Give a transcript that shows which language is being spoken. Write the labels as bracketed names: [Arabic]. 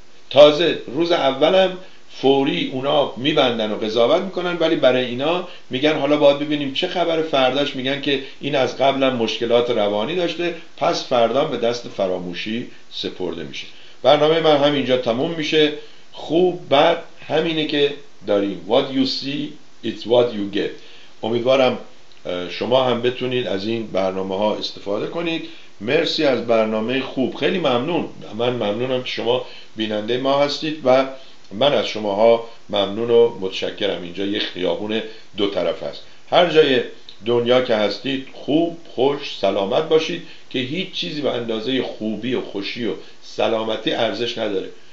[Persian] تازه روز اولم فوری اونا میبندن و قضاوت میکنن، ولی برای اینا میگن حالا باید ببینیم چه خبر، فرداش میگن که این از قبلم مشکلات روانی داشته، پس فردا به دست فراموشی سپرده میشه. برنامه من همینجا تموم میشه. خوب بد همینه که داریم، [English] what you see it's what you get. [Persian] امیدوارم شما هم بتونید از این برنامه ها استفاده کنید. مرسی از برنامه خوب، خیلی ممنون. من ممنونم که شما بیننده ما هستید و من از شماها ممنون و متشکرم. اینجا یه خیابون دو طرف است، هر جای دنیا که هستید خوب خوش سلامت باشید، که هیچ چیزی به اندازه خوبی و خوشی و سلامتی ارزش نداره.